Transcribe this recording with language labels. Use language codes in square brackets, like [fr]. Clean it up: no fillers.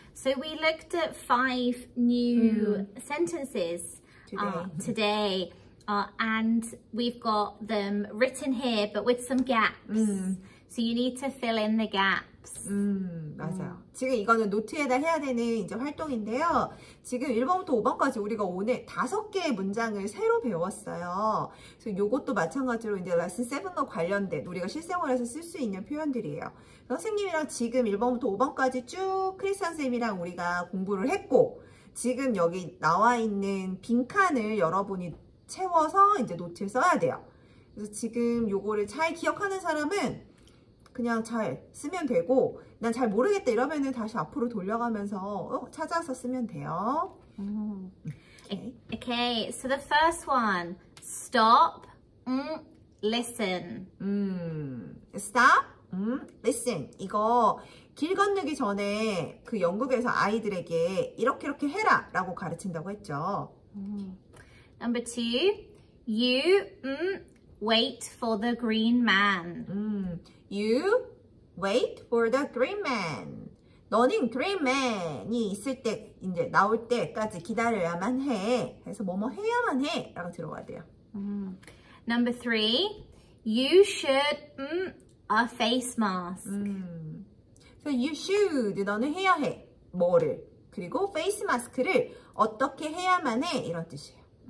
[en] So we looked at five new sentences today. And we've got them written here, but with some gaps. So you need to fill in the gaps. [ko] 맞아요. 지금 이거는 노트에다 해야 되는 이제 활동인데요. 지금 1번부터 5번까지 우리가 오늘 다섯 개의 문장을 새로 배웠어요. 그래서 이것도 마찬가지로 이제 레슨 7과 관련된 우리가 실생활에서 쓸 수 있는 표현들이에요. 선생님이랑 지금 1번부터 5번까지 쭉 크리스 선생님이랑 우리가 공부를 했고 지금 여기 나와 있는 빈칸을 여러분이 채워서 이제 노트에 써야 돼요. 그래서 지금 이거를 잘 기억하는 사람은 그냥 잘 쓰면 되고 난 잘 모르겠다 이러면은 다시 앞으로 돌려가면서 찾아서 쓰면 돼요. [en] Okay. Okay, so the first one, stop, listen. Stop, listen. [ko] 이거 길 건너기 전에 그 영국에서 아이들에게 이렇게 이렇게 해라 라고 가르친다고 했죠. [en] Number two, you wait for the green man. You wait for the green man. [ko] 너는 green man이 있을 때 이제 나올 때까지 기다려야만 해. 그래서 뭐뭐 해야만 해라고 들어와야 돼요. [en] Number three, you should a face mask. So you should [ko] 너는 해야 해 뭐를 그리고 face mask를 어떻게 해야만 해 이런 뜻이에요.